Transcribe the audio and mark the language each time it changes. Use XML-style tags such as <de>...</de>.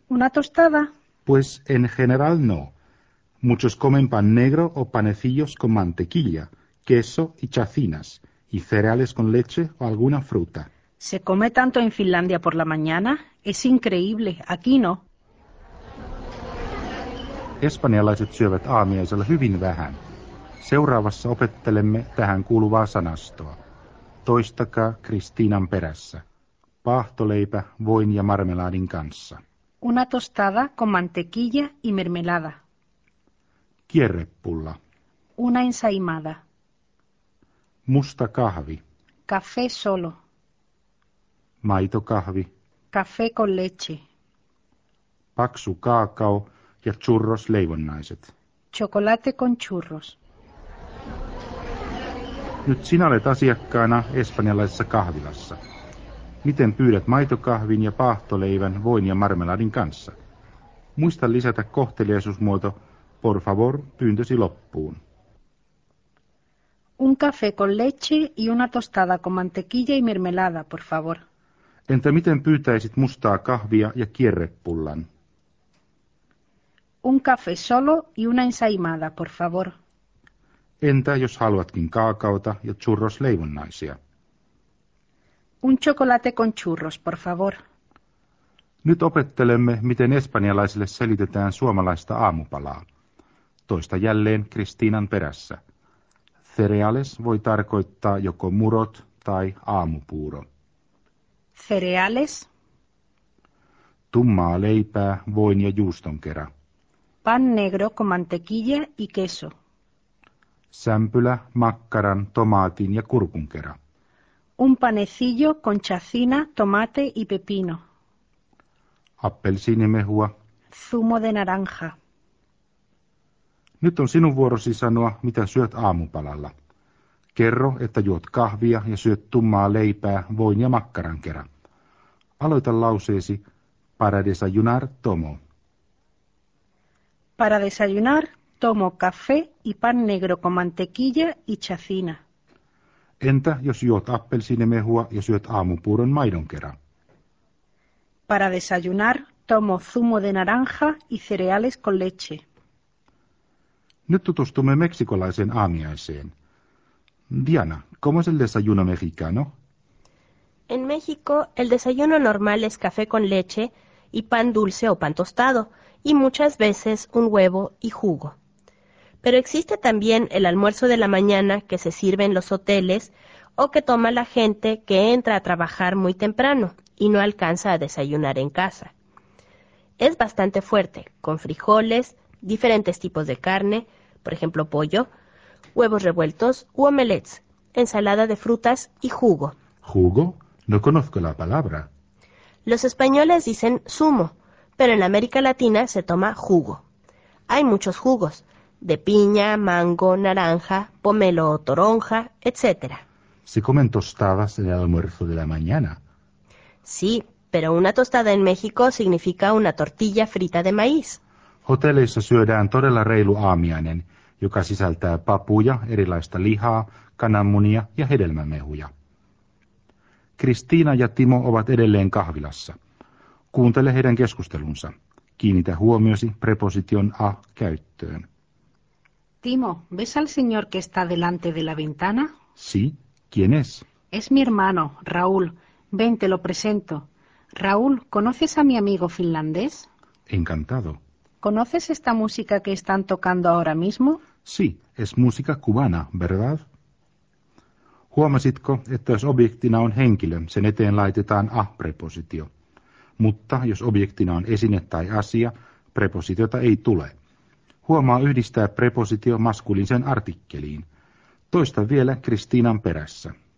<es>¿Una tostada? Pues en general no. Muchos comen pan negro o panecillos con mantequilla, queso y chacinas, y cereales con leche o alguna fruta. ¿Se come tanto en Finlandia por la mañana? Es increíble, aquí no.</es> <fi>Espanjalaiset syövät aamiaisella hyvin vähän. Seuraavassa opettelemme tähän kuuluvaa sanastoa. Toistakaa Kristiinan perässä. Paahtoleipä voin ja marmelaadin kanssa.</fi> <es>Una tostada con mantequilla y mermelada.</es> <fi>Kierrepulla.</fi> <es>Una ensaimada.</es> <fi>Musta kahvi.</fi> <es>Café solo.</es> <fi>Maitokahvi.</fi> <es>Café con leche.</es> <fi>Paksu kaakao ja churros leivonnaiset.</fi> <es>Chocolate con churros.</es> <fi>Nyt sinä olet asiakkaana espanjalaisessa kahvilassa. Miten pyydät maitokahvin ja paahtoleivän voin ja marmeladin kanssa? Muista lisätä kohteliaisuusmuoto</fi> <es>por favor</es> <fi>pyyntösi loppuun.</fi> <es>Un café con leche y una tostada con mantequilla y mermelada, por favor.</es> <fi>Entä miten pyytäisit mustaa kahvia ja kierrepullan?</fi> <es>Un café solo y una ensaimada, por favor.</es> <fi>Entä jos haluatkin kaakaota ja churros leivonnaisia?</fi> <es>Un chocolate con churros, por favor.</es> <fi>Nyt opettelemme, miten espanjalaisille selitetään suomalaista aamupalaa. Toista jälleen Kristiinan perässä. Cereales voi tarkoittaa joko murot tai aamupuuro.</fi> <es>Cereales.</es> <fi>Tummaa leipää, voin ja juuston kera.</fi> <es>Pan negro con mantequilla y queso.</es> <fi>Sämpylä, makkaran, tomaatin ja kurkun kera.</fi> <es>Un panecillo con chacina, tomate y pepino.</es> <fi>Appelsiinimehua.</fi> <es>Zumo de naranja.</es> <fi>Nyt on sinun vuorosi sanoa, mitä syöt aamupalalla. Kerro, että juot kahvia ja syöt tummaa leipää, voin ja makkaran kera. Aloita lauseesi</fi> <es>para desayunar tomo. Para desayunar tomo café y pan negro con mantequilla y chacina.</es> <fi>Entä jos juot appelsiinimehua ja syöt aamupuuron maidon kera?</fi> <es>Para desayunar, tomo zumo de naranja y cereales con leche. Nyt tutustumme meksikolaiseen aamiaiseen. Diana, ¿cómo es el desayuno mexicano? En México, el desayuno normal es café con leche y pan dulce o pan tostado, y muchas veces un huevo y jugo. Pero existe también el almuerzo de la mañana que se sirve en los hoteles o que toma la gente que entra a trabajar muy temprano y no alcanza a desayunar en casa. Es bastante fuerte, con frijoles, diferentes tipos de carne, por ejemplo pollo, huevos revueltos u omelets, ensalada de frutas y jugo. ¿Jugo? No conozco la palabra. Los españoles dicen zumo, pero en América Latina se toma jugo. Hay muchos jugos, de piña, mango, naranja, pomelo o toronja, etc. ¿Se comen tostadas en el almuerzo de la mañana? Sí, pero una tostada en México significa una tortilla frita de maíz.</es> <fi>Hotelleissa syödään todella reilu aamiainen, joka sisältää papuja, erilaista lihaa, kananmunia ja hedelmämehuja. Kristiina ja Timo ovat edelleen kahvilassa. Kuuntele heidän keskustelunsa. Kiinnitä huomiosi preposition a käyttöön.</fi> <es>Timo, ¿ves al señor que está delante de la ventana? Sí, ¿quién es? Es mi hermano, Raúl. Ven, te lo presento. Raúl, ¿conoces a mi amigo finlandés? Encantado. ¿Conoces esta música que están tocando ahora mismo? Sí, es música cubana, ¿verdad?</es> <fi>Huomasitko, että jos objektina on henkilö, sen eteen laitetaan a-prepositio. Mutta jos objektina on esine tai asia, prepositiota ei tule. Huomaa yhdistää prepositio maskuliiniseen artikkeliin. Toista vielä Kristiinan perässä.</fi>